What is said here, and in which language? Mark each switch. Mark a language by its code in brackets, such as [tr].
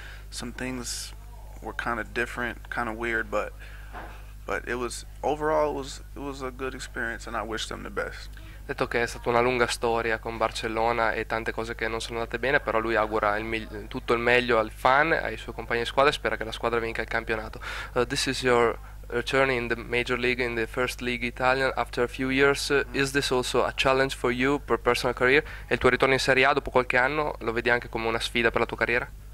[en] Some things were kind of different, kind of weird, but it was overall it was a good experience, and I wish them the best. [it] Detto che è stata una lunga storia con Barcellona e tante cose che non sono andate bene, però lui augura tutto il meglio al fan, ai suoi compagni di squadra e spera che la squadra vinca il campionato. [en] This is your return in the Major League, in the First League Italian after a few years. Is this also a challenge for you per personal career? [it] E il tuo ritorno in Serie A dopo qualche anno lo vedi anche come una sfida per la tua carriera?